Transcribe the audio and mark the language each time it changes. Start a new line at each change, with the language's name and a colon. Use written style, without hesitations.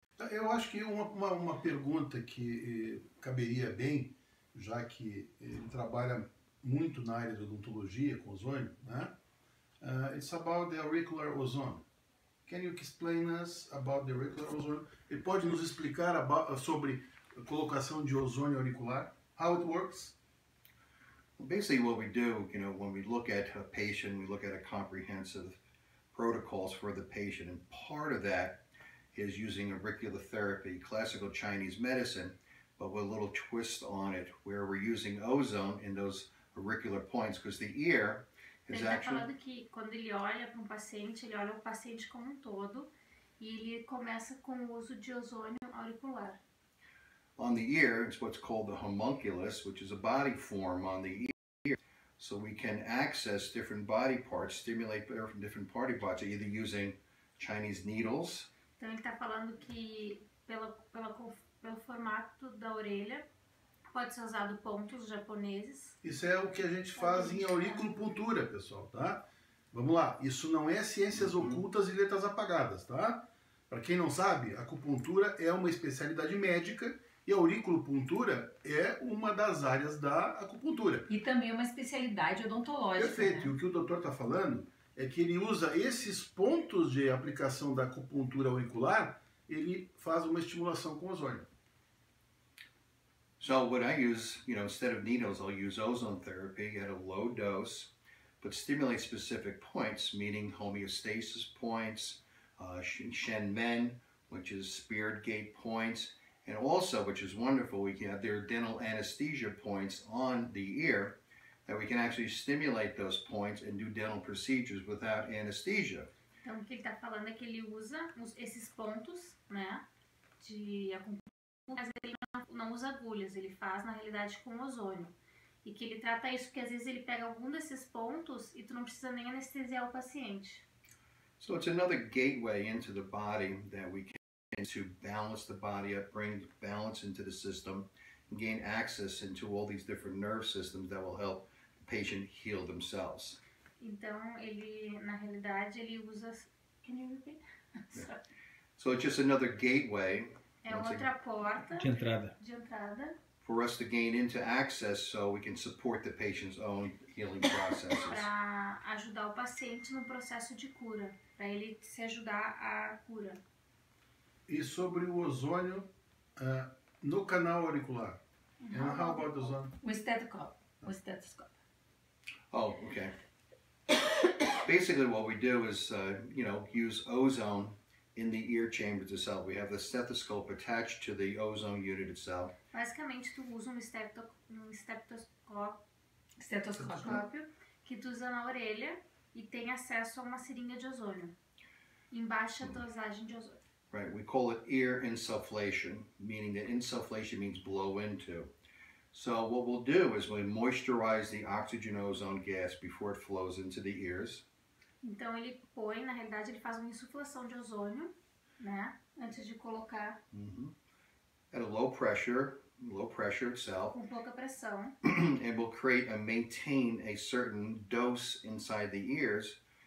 Portuguese: Eu acho que uma pergunta que caberia bem, já que ele trabalha muito na área de odontologia, com ozônio, né?
English: It's about the auricular ozone. Can you explain us about the auricular ozone?
Portuguese: Ele pode nos explicar sobre a colocação de ozônio auricular?
English: How it works? Basically what we do, you know, when we look at a patient, we look at a comprehensive protocols for the patient, and part of that is using auricular therapy, classical Chinese medicine, but with a little twist on it, where we're using ozone in those auricular points, because the ear
Portuguese: Ele está falando que quando ele olha para um paciente, ele olha o paciente como um todo e ele começa com o uso de ozônio auricular.
English: On the ear, it's what's called the homunculus, which is a body form on the ear. So we can access different body parts, stimulate different body parts, either using Chinese needles.
Portuguese: Então ele está falando que pelo formato da orelha, pode ser usado pontos japoneses. Isso é o que a gente faz em auriculopuntura, pessoal, tá? Vamos lá, isso não é ciências ocultas e letras apagadas, tá? Para quem não sabe, acupuntura é uma especialidade médica e auriculopuntura é uma das áreas da acupuntura. E também é uma especialidade odontológica. Perfeito, né? E o que o doutor está falando é que ele usa esses pontos de aplicação da acupuntura auricular ele faz uma estimulação com ozônio.
English: So what I use, you know, instead of needles, I'll use ozone therapy at a low dose, but stimulate specific points, meaning homeostasis points, Shen Men, which is spirit gate points, and also, which is wonderful, we can have their dental anesthesia points on the ear, that we can actually stimulate those points and do dental procedures without anesthesia.
Portuguese: Então, o que ele está falando é que ele usa esses pontos, né, de acupuntura, mas ele não usa agulhas, ele faz, na realidade, com ozônio. E que ele trata isso, porque às vezes ele pega algum desses pontos e tu não precisa nem anestesiar o paciente.
English: So it's another gateway into the body that we can to balance the body up, bring balance into the system, and gain access into all these different nerve systems that will help the patient heal themselves.
Portuguese: Então, ele, na realidade, ele usa...
English: Can you repeat? So it's just another gateway.
Portuguese: É outra porta. De entrada. De entrada.
English: For us to gain into access so we can support the patient's own healing processes.
Portuguese: Para ajudar o paciente no processo de cura. Para ele se ajudar à cura. E sobre o ozônio no canal auricular. Uhum.
English: And how about the ozone?
Portuguese: O estetoscópio.
English: Oh, okay. Basically, what we do is, use ozone in the ear chambers itself. We have the stethoscope attached to the ozone unit itself.
Portuguese: Basicamente, tu usa um estetoscópio que tu usa na orelha e tem acesso a uma seringa de ozônio em baixa dosagem de ozônio.
English: Right, we call it ear insufflation, meaning that insufflation means blow into. So what we'll do is we moisturize the oxygen ozone gas before it flows into the ears.
Portuguese: Então ele põe, na realidade ele faz uma insuflação de ozônio, né, antes de colocar.
English: Mm-hmm. At a low pressure itself.
Portuguese: Com pouca pressão.
English: And we'll create and maintain a certain dose inside the ears.